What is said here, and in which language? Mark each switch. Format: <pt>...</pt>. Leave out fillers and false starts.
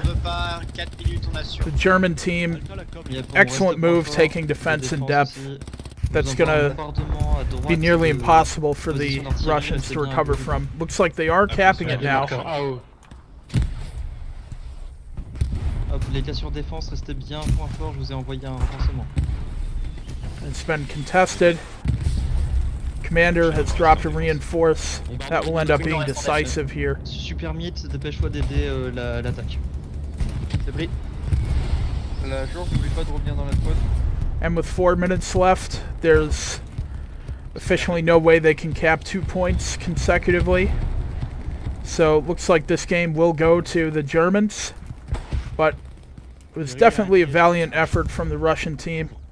<en>The German team, excellent move taking defense in depth. That's gonna be nearly impossible for the Russians to recover from. Looks like they are capping it now.</en> <fr>Hop, les gars sur défense, restez bien, point fort, je vous ai envoyé un renseignement.</fr> <en>It's been contested. Commander has dropped a reinforce. That will end up being decisive here.</en> <fr>Super Meat, dépêche-toi d'aider l'attaque. C'est pris. La jour, n'oublie pas de revenir dans la squad.</fr> <en>And with 4 minutes left, there's officially no way they can cap 2 points consecutively. So it looks like this game will go to the Germans. But it was definitely a valiant effort from the Russian team.</en>